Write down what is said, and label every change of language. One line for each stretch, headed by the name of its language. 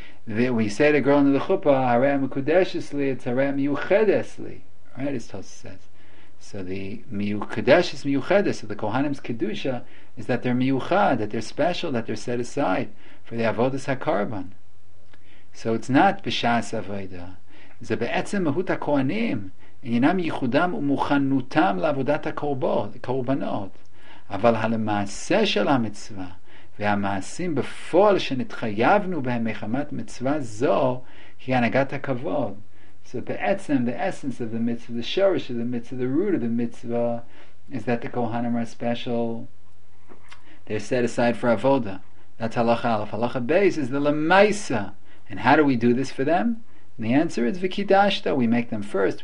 English: Then we say to the girl under the chuppah, harad mikudashesli, it's harad miyuchedesli. Right, as Tosa says. So the miyuchedesh is miyuchedes. So the Kohanim's kedusha is that they're miyuchad, that they're special, that they're set aside for the avodas hakarban. So it's not b'shas avoda.
Hebrew: Ze be'etzem mahut hakohanim. עניינם ייחודם ומוכנותם לעבודת הקורבנות, אבל המעשה של המצווה והמעשים בפועל שנתחייבנו בהם מחמת מצווה זו היא הנהגת הכבוד.
English: So בעצם, the essence of the mitzvah, the shorish of the mitzvah, the root of the mitzvah is that the Kohanim are special. They're set aside for avoda. That's halacha aleph. Halacha beis is the lemaisa. And how do we do this for them? And the answer is Vikidashta. We make them first.